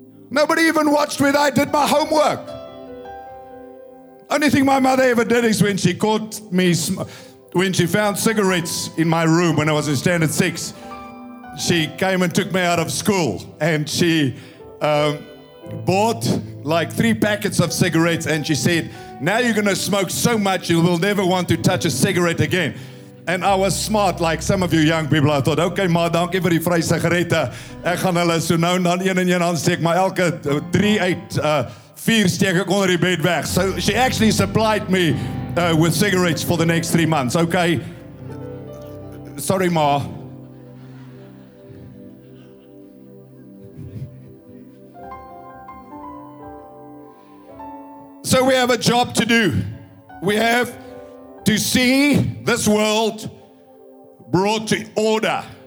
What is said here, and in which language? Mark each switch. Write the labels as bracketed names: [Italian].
[English] Nobody even watched when I did my homework. Only thing my mother ever did is when she caught me, when she found cigarettes in my room when I was in standard six, she came and took me out of school and she bought like 3 packets of cigarettes and she said, now you're going to smoke so much you will never want to touch a cigarette again. And I was smart, like some of you young people. I thought, okay, ma, thank you for the free cigarette. [Afrikaans] Ek gaan hulle so nou dan een en een aansteek, maar elke 3 uit 4 steek ek onder die bed weg. [English] So she actually supplied me with cigarettes for the next 3 months. Okay, sorry, ma. So we have a job to do. We have to see this world brought to order.